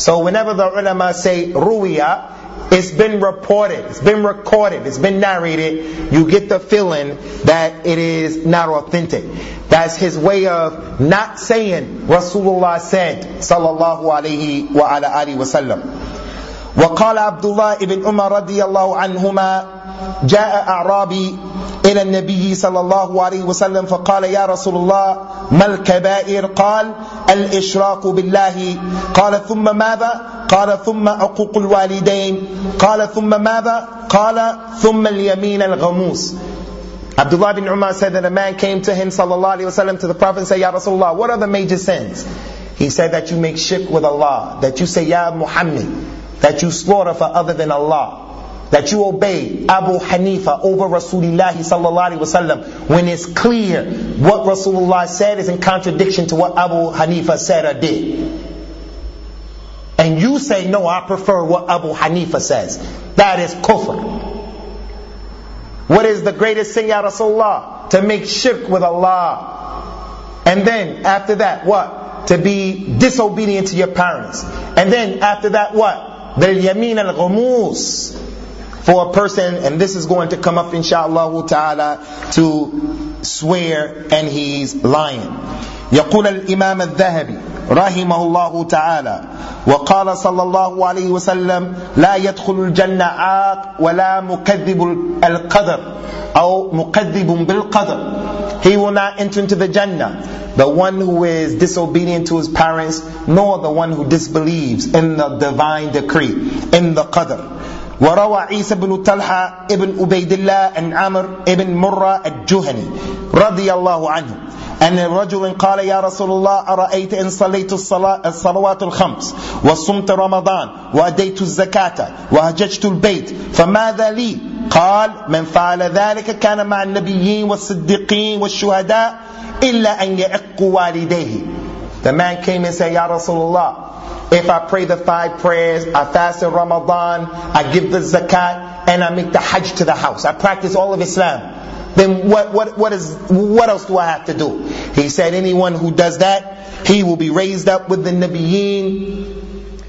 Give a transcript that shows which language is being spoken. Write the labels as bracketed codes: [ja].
[en] So whenever the ulama say Ruwiya, it's been reported, it's been recorded, it's been narrated, you get the feeling that it is not authentic. That's his way of not saying Rasulullah said, sallallahu alayhi wa ala alihi wa sallam. [ar] وقال عبد الله بن عمر رضي الله عنهما جاء أعرابي إلى النبي صلى الله عليه وسلم فقال يا رسول الله ما الكبائر قال الإشراك بالله قال ثم ماذا قال ثم عقوق الوالدين قال ثم ماذا قال ثم اليمين الغموس. [en] Abdullah bin Umar said that a man came to him [ar] صلى الله عليه وسلم, [en] to the Prophet, and said, Ya Rasulullah, what are the major sins? He said that you make shirk with Allah, that you say Ya Muhammad, that you slaughter for other than Allah, that you obey Abu Hanifa over Rasulullah sallallahu alaihi wasallam, when it's clear what Rasulullah said is in contradiction to what Abu Hanifa said or did. And you say, no, I prefer what Abu Hanifa says. That is kufr. What is the greatest sin, Ya Rasulullah? To make shirk with Allah. And then after that, what? To be disobedient to your parents. And then after that, what? The yameen al-ghumus for a person, and this is going to come up inshallah ta'ala, to swear and he's lying. [ar] يقول الإمام الذهبي رحمه الله تعالى وقال صلى الله عليه وسلم لا يدخل الجنة عاق ولا مكذب القدر أو مكذب بالقدر. [en] He will not enter into the Jannah, the one who is disobedient to his parents, nor the one who disbelieves in the divine decree, in the qadr. [ar] وروى عيسى بن طلحة ابن عبيد الله عن عمر ابن مرة الجهني رضي الله عنه أن الرجل قال يا رسول الله أرأيت إن صليت الصلوات الخمس وصمت رمضان وأديت الزكاة وهججت البيت فماذا لي؟ قال من فعل ذلك كان مع النبيين والصديقين والشهداء إلا أن يعق والديه. [en] The man came and said, Ya Rasulullah, if I pray the five prayers, I fast in Ramadan, I give the zakat, and I make the hajj to the house, I practice all of Islam, then what else do I have to do? He said, anyone who does that, he will be raised up with the Nabiyeen,